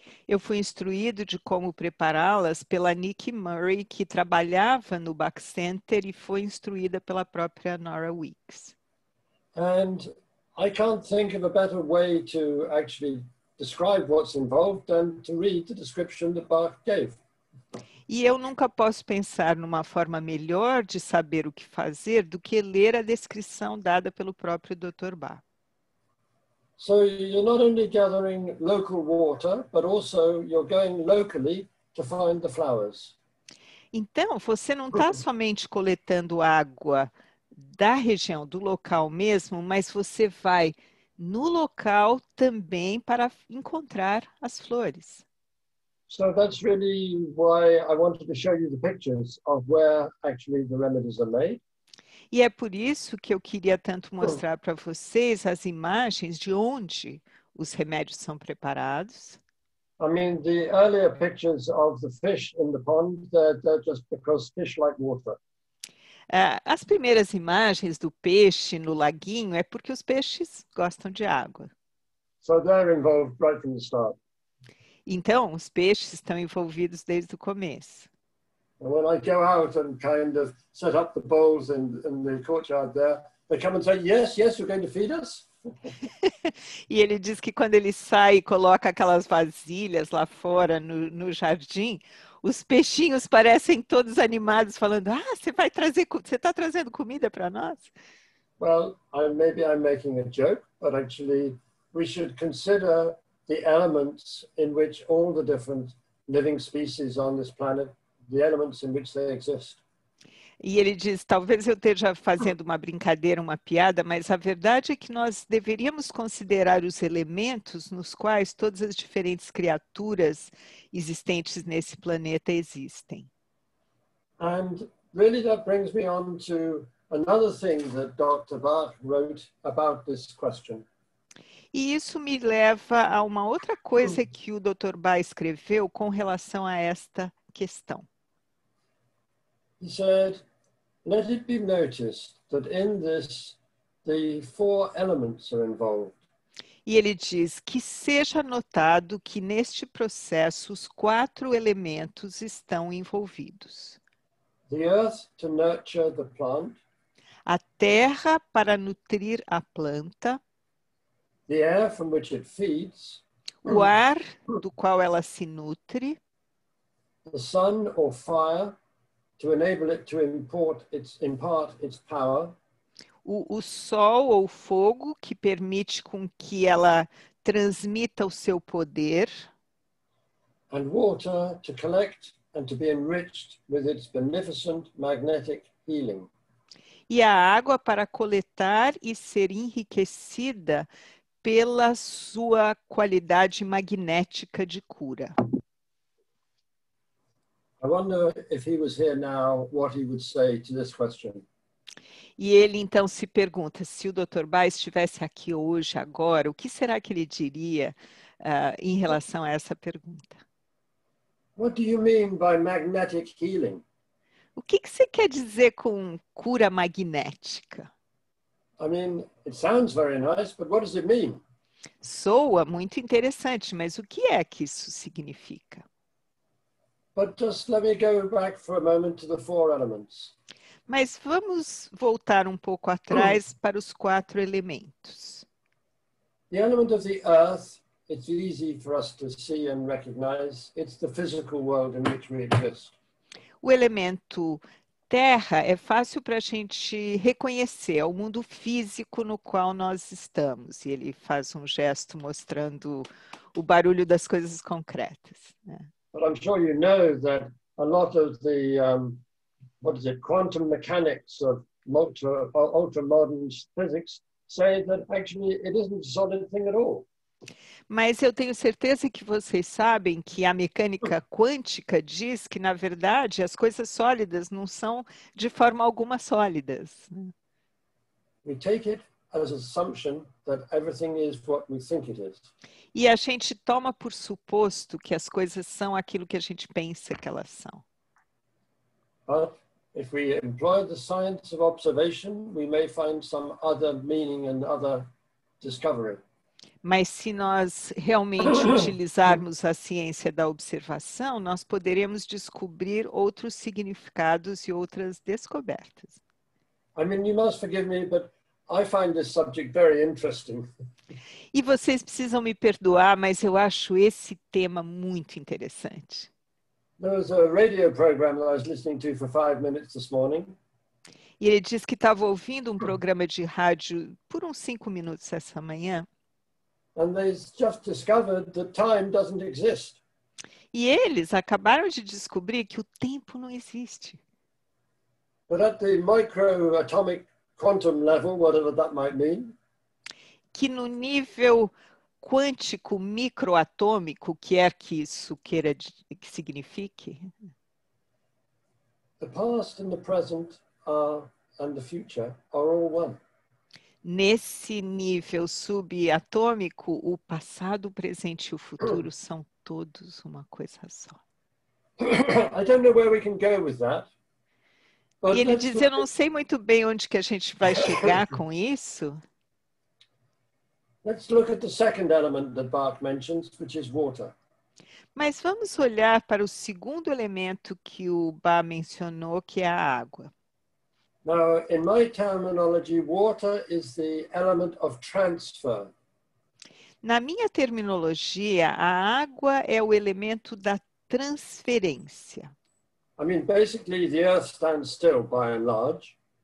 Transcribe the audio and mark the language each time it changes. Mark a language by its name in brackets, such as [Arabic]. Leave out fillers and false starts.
[Portuguese] Eu fui instruído de como prepará-las pela Nicky Murray, que trabalhava no Bach Center e foi instruída pela própria Nora Weeks. [English] And I can't think of a better way to actually describe what's involved and to read the description that Bach gave. [Portuguese] E eu nunca posso pensar numa forma melhor de saber o que fazer do que ler a descrição dada pelo próprio Dr. Bach. [English] So you're not only gathering local water, but also you're going locally to find the flowers. [Portuguese] Então, você não está somente coletando água da região, do local mesmo, mas você vai no local também para encontrar as flores. [English] So that's really why I wanted to show you the pictures of where actually the remedies are made. [Portuguese] E é por isso que eu queria tanto mostrar para vocês as imagens de onde os remédios são preparados. [English] I mean, the earlier pictures of the fish in the pond, they're just because fish like water. [Portuguese] As primeiras imagens do peixe no laguinho é porque os peixes gostam de água. [English] So they're involved right from the start. [Portuguese] Então, os peixes estão envolvidos desde o começo. [English] When I go out and kind of set up the bowls in the courtyard there, they come and say, yes, yes, you're going to feed us? [Portuguese] E ele diz que quando ele sai e coloca aquelas vasilhas lá fora no jardim, os peixinhos parecem todos animados, falando, ah, você vai trazer, você está trazendo comida para nós? [English] Well, maybe I'm making a joke, but actually we should consider the elements in which all the different living species on this planet, the elements in which they exist. [Portuguese] E ele diz, talvez eu esteja fazendo uma brincadeira, uma piada, mas a verdade é que nós deveríamos considerar os elementos nos quais todas as diferentes criaturas existentes nesse planeta existem. [English] And really that brings me on to another thing that Dr. Bach wrote about this question. [Portuguese] E isso me leva a uma outra coisa que o Dr. Bach escreveu com relação a esta questão. [English] He said, let it be noticed that in this, the four elements are involved. [Portuguese] E ele diz que seja notado que neste processo os quatro elementos estão envolvidos. [English] The earth to nurture the plant. [Portuguese] A terra para nutrir a planta. [English] The air from which it feeds. [Portuguese] O ar do qual ela se nutre. [English] The sun or fire. To enable it to impart its power. [Portuguese] O sol ou fogo que permite com que ela transmita o seu poder. [English] And water to collect and to be enriched with its beneficent magnetic healing. [Portuguese] E a água para coletar e ser enriquecida pela sua qualidade magnética de cura. [English] I wonder if he was here now, what he would say to this question. [Portuguese] E ele então se pergunta, se o Dr. Bach estivesse aqui hoje, agora, o que será que ele diria em relação a essa pergunta? [English] What do you mean by magnetic healing? [Portuguese] O que, que você quer dizer com cura magnética? [English] I mean, it sounds very nice, but what does it mean? [Portuguese] Soa muito interessante, mas o que é que isso significa? [English] But just let me go back for a moment to the four elements. [Portuguese] Mas vamos voltar um pouco atrás para os quatro elementos. [English] The element of the earth, it's easy for us to see and recognize. It's the physical world in which we exist. [Portuguese] O elemento terra é fácil para a gente reconhecer, é o mundo físico no qual nós estamos. E ele faz um gesto mostrando o barulho das coisas concretas, né? [English] But I'm sure you know that a lot of the, quantum mechanics of ultra-modern physics say that actually it isn't a solid thing at all. [Portuguese] Mas eu tenho certeza que vocês sabem que a mecânica quântica diz que, na verdade, as coisas sólidas não são de forma alguma sólidas. [English] We take it as assumption that everything is what we think it is. [Portuguese] E a gente toma por suposto que as coisas são aquilo que a gente pensa que elas são. [English] But if we employ the science of observation, we may find some other meaning and other discovery. [Portuguese] Mas se nós realmente utilizarmos a ciência da observação, nós poderemos descobrir outros significados e outras descobertas. [English] I mean, you must forgive me, but I find this subject very interesting. [Portuguese] E vocês precisam me perdoar, mas eu acho esse tema muito interessante. [English] There was a radio program that I was listening to for 5 minutes this morning. [Portuguese] E ele disse que estava ouvindo um programa de rádio por uns 5 minutos essa manhã. [English] And they just discovered that time doesn't exist. [Portuguese] E eles acabaram de descobrir que o tempo não existe. [English] But at the microatomic quantum level, whatever that might mean. [Portuguese] Que no nível quântico microatômico, quer que isso queira que signifique. [English] The past and the present and the future are all one. [Portuguese] Nesse nível subatômico, o passado, o presente e o futuro são todos uma coisa só. [English] I don't know where we can go with that. [Portuguese] E ele diz, eu não sei muito bem onde que a gente vai chegar com isso. [English] Let's look at the second element that Bach mentions, which is water. [Portuguese] Mas vamos olhar para o segundo elemento que o Bach mencionou, que é a água. [English] Now, in my terminology, water is the element of transfer. [Portuguese] Na minha terminologia, a água é o elemento da transferência. [English] I mean, basically, the earth stands still, by and large.